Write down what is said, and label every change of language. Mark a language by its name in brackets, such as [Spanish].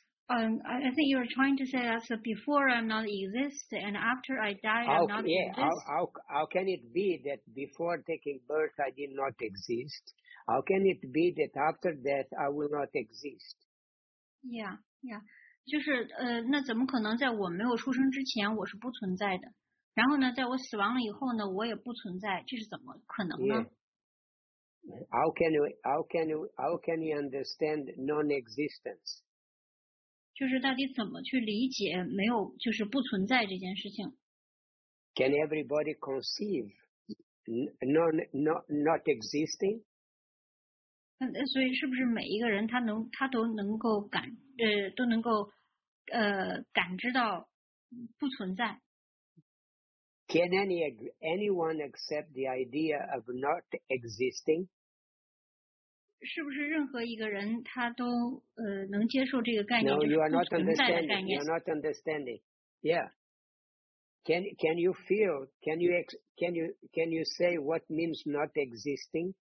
[English] I think you're trying to say that so before I'm not exist and after I die I'm not exist. How can it be that before taking birth I did not exist? How can it be that after death I will not exist? Yeah. [Chinese] 就是那怎么可能在我没有出生之前我是不存在的？然后呢，在我死亡了以后呢，我也不存在，这是怎么可能呢？ [English] Yeah. How can you understand non-existence? [Chinese] 就是到底怎么去理解没有就是不存在这件事情？ [English] Can everybody conceive not existing? [Chinese] 所以是不是每一个人他都能够感知到不存在？ [English] Can anyone accept the idea of not existing? [Chinese] 是不是任何一个人他都能接受这个概念？ [English] No, you are not understanding. You are not understanding. Yeah. Can you feel? Can you say what means not existing?